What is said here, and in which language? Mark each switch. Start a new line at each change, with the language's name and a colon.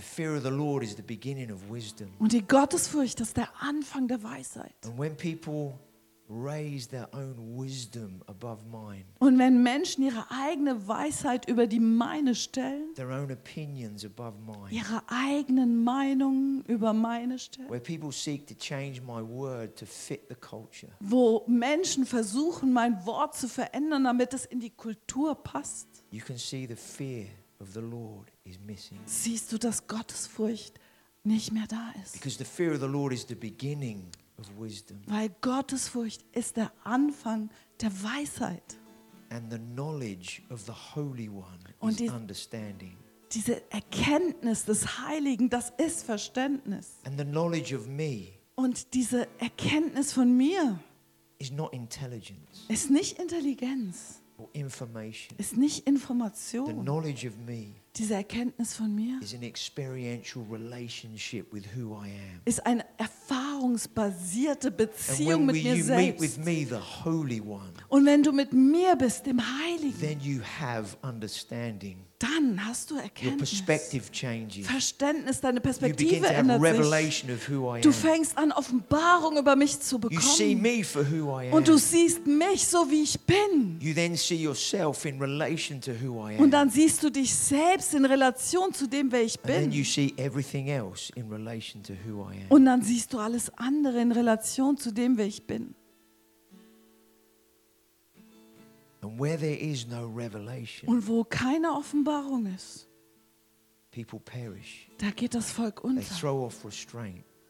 English: The fear of the Lord is the beginning of wisdom.
German: Und die Gottesfurcht ist der Anfang der Weisheit.
English: And when people raise their own wisdom above mine,
German: und wenn Menschen ihre eigene Weisheit über die meine stellen,
English: their own opinions above mine,
German: ihre eigenen Meinungen über meine stellen,
English: where people seek to change my word to fit the culture,
German: wo Menschen versuchen, mein Wort zu verändern, damit es in die Kultur passt,
English: you can see the fear of the Lord is missing.
German: Siehst du, dass Gottesfurcht nicht mehr da ist?
English: Because the fear of the Lord is the beginning. Of wisdom.
German: Weil Gottesfurcht ist der Anfang der Weisheit.
English: And the knowledge of the Holy One
German: und
English: is understanding.
German: Diese Erkenntnis des Heiligen, das ist Verständnis.
English: And the knowledge of me
German: und diese Erkenntnis von mir
English: is not intelligence.
German: Ist nicht Intelligenz.
English: Or information.
German: Ist nicht Information.
English: The knowledge of me,
German: diese Erkenntnis von mir,
English: is an experiential relationship with who I am.
German: Ist eine erfahrungsbasierte Beziehung mit mir selbst.
English: And when you meet with me, the Holy One,
German: und wenn du mit mir bist, dem Heiligen,
English: then you have understanding.
German: Dann hast du Erkenntnis.
English: Your perspective changes.
German: Verständnis, deine Perspektive ändert sich.
English: You begin to have revelation of who I am.
German: Du fängst an, Offenbarung über mich zu bekommen.
English: You see me for who I am.
German: Und du siehst mich so, wie ich bin.
English: You then see yourself in relation to who I am.
German: Und dann siehst du dich selbst in Relation zu dem, wer ich bin.
English: And then you see everything else in relation to who I am.
German: Und dann siehst du alles andere in Relation zu dem, wer ich bin.
English: And where there is no revelation,
German: und wo keine Offenbarung ist,
English: people perish.
German: Da geht das Volk unter.
English: They throw off restraint.